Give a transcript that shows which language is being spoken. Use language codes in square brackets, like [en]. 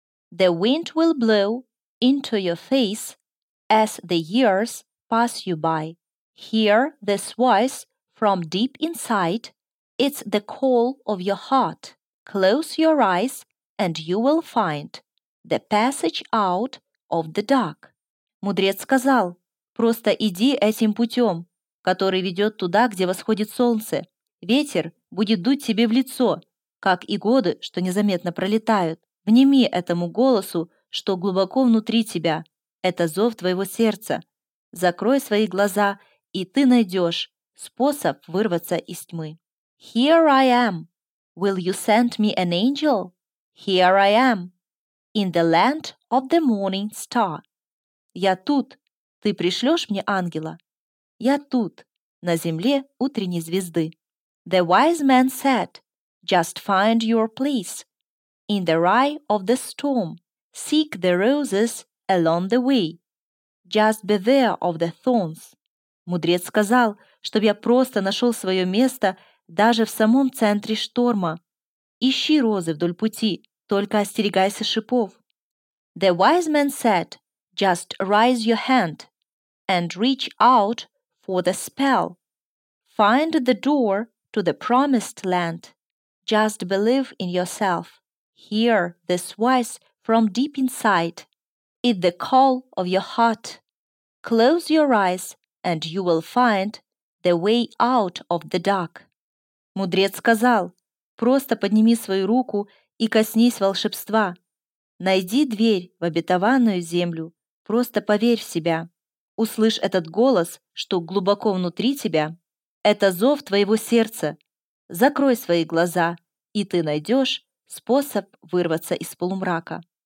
[en] The wind will blow into your face as the years pass you by. Hear this voice from deep inside. It's the call of your heart. Close your eyes and you will find the passage out of the dark. [ru] Мудрец сказал, просто иди этим путем, который ведет туда, где восходит солнце. Ветер будет дуть тебе в лицо, как и годы, что незаметно пролетают. Внеми этому голосу, что глубоко внутри тебя. Это зов твоего сердца. Закрой свои глаза, и ты найдешь способ вырваться из тьмы. [en] Here I am. Will you send me an angel? Here I am. In the land of the morning star. [ru] Я тут. Ты пришлешь мне ангела? Я тут, на земле утренней звезды. [en] The wise man said, just find your place. In the eye of the storm, seek the roses along the way. Just beware of the thorns. [ru] Мудрец сказал, чтобы я просто нашел свое место даже в самом центре шторма. Ищи розы вдоль пути, только остерегайся шипов. [en] The wise man said, just raise your hand and reach out for the spell. Find the door to the promised land. Just believe in yourself. Hear this voice from deep inside. It's the call of your heart. Close your eyes and you will find the way out of the dark. [ru] Мудрец сказал, просто подними свою руку и коснись волшебства. Найди дверь в обетованную землю. Просто поверь в себя. Услышь этот голос, что глубоко внутри тебя. Это зов твоего сердца. Закрой свои глаза, и ты найдешь способ вырваться из полумрака.